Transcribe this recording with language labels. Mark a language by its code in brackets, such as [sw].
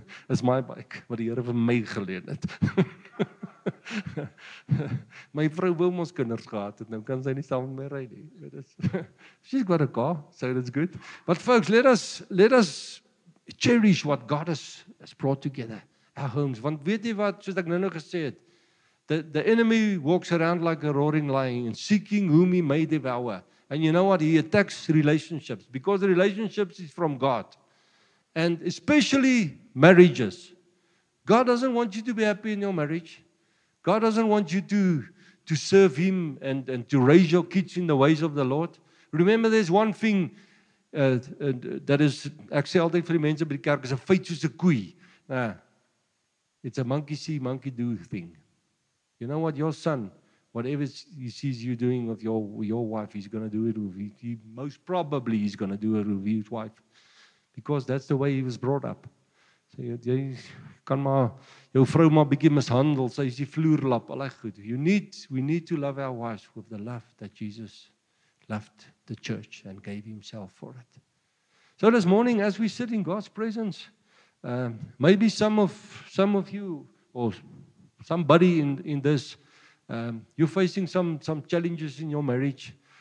[en] It's my bike, [af] wat die Here vir my geleen het. My vrou wil ons kinders gehad het, nou kan sy nie saam met my ry nie. [en] She's got a car, so that's good. But folks, let us cherish what God has brought together, our homes. [af] Want weet jy wat, soos ek nou gesê het, [en] the enemy walks around like a roaring lion, seeking whom he may devour. And you know what, he attacks relationships, because relationships is from God. And especially marriages. God doesn't want you to be happy in your marriage. God doesn't want you to serve Him and to raise your kids in the ways of the Lord. Remember, there's one thing that is, [af] ek sê altyd vir die mense by die kerk, is 'n feit soos 'n koei. [en] It's a monkey see, monkey do thing. You know what? Your son, whatever he sees you doing with your wife, he's going to do it with you. He most probably is going to do it with his wife. Because that's the way he was brought up. [af] So jy kan maar jou vrou maar bietjie mishandel, sy is die vloerlap, al die goed. [en] We need to love our wives with the love that Jesus loved the church and gave himself for it. So this morning, as we sit in God's presence, maybe some of you or somebody in this, you're facing some challenges in your marriage.